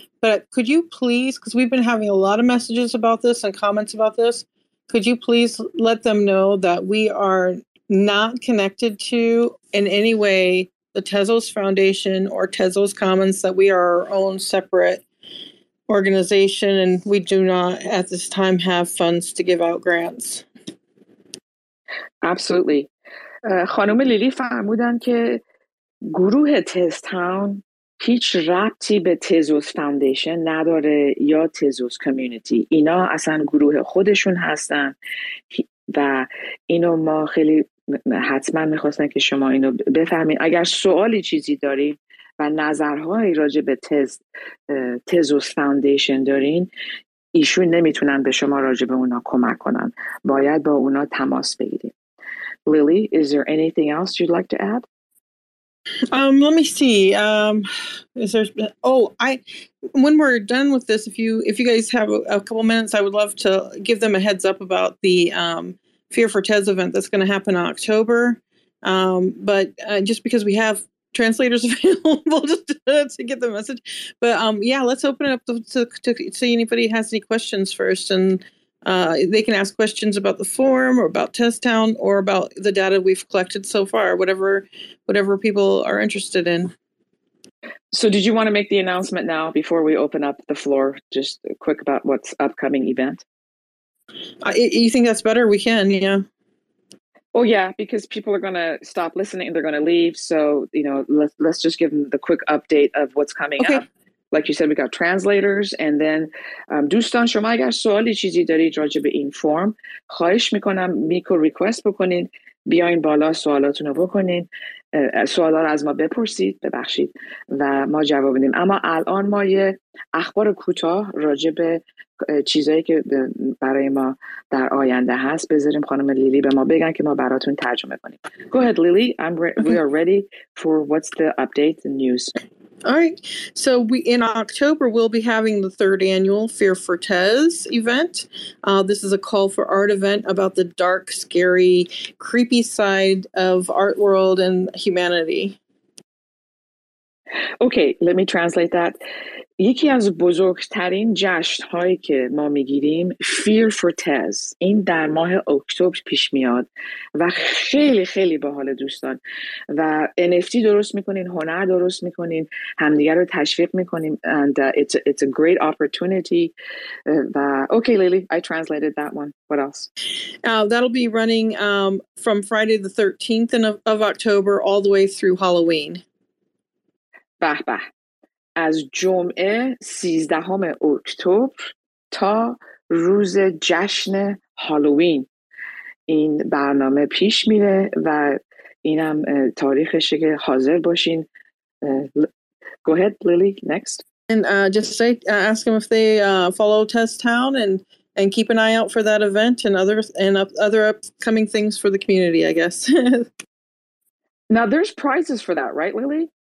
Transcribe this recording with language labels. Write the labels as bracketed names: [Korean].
[English] But could you please, because we've been having a lot of messages about this and comments about this, could you please let them know that we are not connected to in any way the Tezos Foundation or Tezos Commons, that we are our own separate organization and we do not at this time have funds to give out grants. Absolutely. [Persian] خانم لیلی فرمودن که گروه Tezstown هیچ ربطی به تزوس فاندیشن نداره یا تزوس کمیونیتی. اینا اصلا گروه خودشون هستن و اینو ما خیلی حتما میخواستن که شما اینو بفهمین. اگر سوالی چیزی دارین و نظرهایی راجع به تزوس فاندیشن دارین، ایشون نمیتونن به شما راجع به اونا کمک کنن، باید با اونا تماس بگیرید. [English] Lily, is there anything else you'd like to add? Let me see. Is there? Oh, I. When we're done with this, if you guys have a couple minutes, I would love to give them a heads up about the Fear for Tez event that's going to happen in October. But just because we have translators available, just to get the message. But let's open it up to see anybody has any questions first, and they can ask questions about the forum or about Test Town or about the data we've collected so far, whatever people are interested in. So did you want to make the announcement now before we open up the floor, just quick about what's upcoming event? You think that's better? We can, yeah. Oh, yeah, because people are going to stop listening. They're going to leave. So, let's just give them the quick update of what's coming up. Like you said, we got translators, and then [Persian] دوستان شما اگر سوالی چیزی دارید راجع به این فرم، خواهش میکنم میکو ریکوست بکنین، بیاین بالا سوالاتون رو بکنین، سوالا رو از ما بپرسید، ببخشید، و ما جواب بدیم. اما الان ما یه اخبار کوتاه راجع به چیزایی که برای ما در آینده هست بذاریم خانم لیلی به ما بگن که ما براتون ترجمه کنیم. [English] Go ahead, Lily. We are ready for what's the update, the news. All right. So in October, we'll be having the third annual Fear for Tez event. This is a call for art event about the dark, scary, creepy side of art world and humanity. Okay, let me translate that. [Persian] یکی از بزرگترین جشن هایی که ما میگیریم Fear for Tez، این در ماه اکتبر پیش میاد و خیلی خیلی باحال دوستان، و NFT درست میکنین، هنر درست میکنین، همدیگر رو تشویق میکنین، [English] and it's a great opportunity. Okay, Lily, I translated that one. What else? That'll be running from Friday the 13th of October all the way through Halloween. [Persian] بح بح. از جمعه 13 اکتبر تا روز جشن هالووین این برنامه پیش میره، و اینم تاریخشه که حاضر باشین. [English] Go ahead, Lily, next. And ask them if they follow Test Town and keep an eye out for that event and other upcoming things for the community, I guess. Now there's prizes for that, right, Lily?